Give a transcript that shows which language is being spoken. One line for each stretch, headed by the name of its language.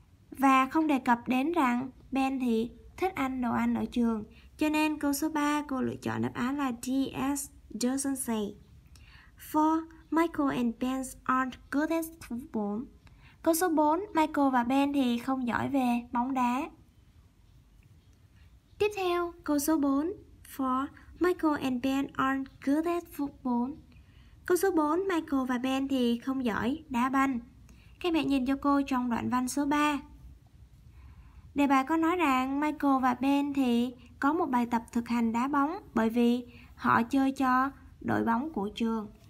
Vietnamese: Và không đề cập đến rằng Ben thì thích ăn đồ ăn ở trường. Cho nên câu số 3 cô lựa chọn đáp án là DS doesn't say. 4.
English: Michael and Ben aren't good at football.
Vietnamese: Câu số 4, Michael và Ben thì không giỏi về bóng đá. Tiếp theo, câu số 4.
English: For Michael and Ben aren't good at football.
Vietnamese: Câu số 4, Michael và Ben thì không giỏi đá banh. Các bạn nhìn cho cô trong đoạn văn số 3. Đề bài có nói rằng Michael và Ben thì có một bài tập thực hành đá bóng bởi vì họ chơi cho đội bóng của trường.